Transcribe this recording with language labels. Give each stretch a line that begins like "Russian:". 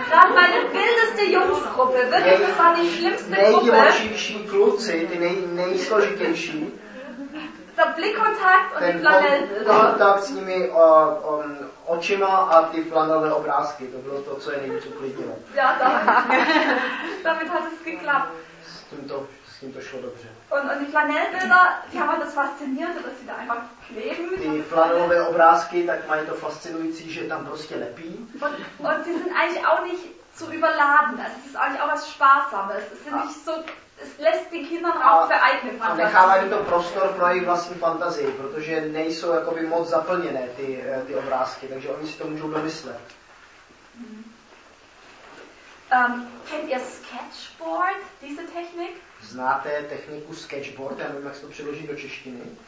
German: Dann meine wildeste Jungsgruppe, wirklich das war die schlimmste Gruppe.
Czech: Nejdivočejší kluci, ty nejsložitější.
German: Der Blickkontakt und die Flanelle.
Czech: Kontakt s nimi očima a ty flanelové obrázky. To bylo to, co je nejvíc uklidnilo.
German: Ja, damit hat es geklappt.
Czech: S tím to šlo dobře.
German: Und die Flanellbilder, die haben das faszinierende, dass sie da einfach kleben.
Czech: Ty flanelové obrázky, tak mají to fascinující, že tam prostě lepí.
German: Und sie sind eigentlich auch nicht zu überladen. Also es ist eigentlich auch was Sparsames. Es sind nicht so... Es lässt die Kinder auch für eigene Fantasie.
Czech: A nechávají to prostor pro jejich vlastní fantazii, protože nejsou jakoby moc zaplněné ty obrázky, takže oni si to můžou domyslet.
German: Kennt ihr sketchboard, diese Technik?
Czech: Znáte techniku sketchboard? Já nevím, jak se to přeloží do češtiny.